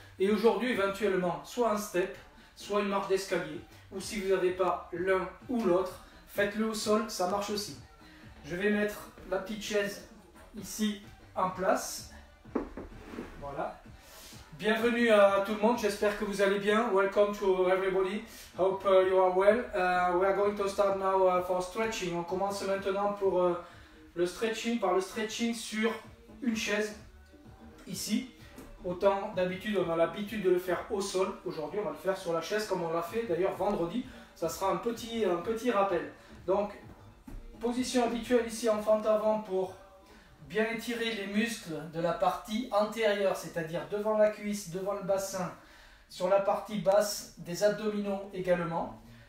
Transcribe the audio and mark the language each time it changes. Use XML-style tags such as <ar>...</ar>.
<fr>Et aujourd'hui, éventuellement, soit un step, soit une marche d'escalier. Ou si vous n'avez pas l'un ou l'autre, faites-le au sol, ça marche aussi. Je vais mettre la petite chaise ici en place. Voilà. Bienvenue à tout le monde, j'espère que vous allez bien.</fr> <en>Welcome to everybody, hope you are well. We are going to start now for stretching.</en> <fr>On commence maintenant pour le stretching, par le stretching sur une chaise, ici. Autant d'habitude, on a l'habitude de le faire au sol. Aujourd'hui, on va le faire sur la chaise comme on l'a fait d'ailleurs vendredi. Ça sera un petit rappel. Donc, position habituelle ici en fente avant pour bien étirer les muscles de la partie antérieure, c'est-à-dire devant la cuisse, devant le bassin, sur la partie basse des abdominaux également.</fr>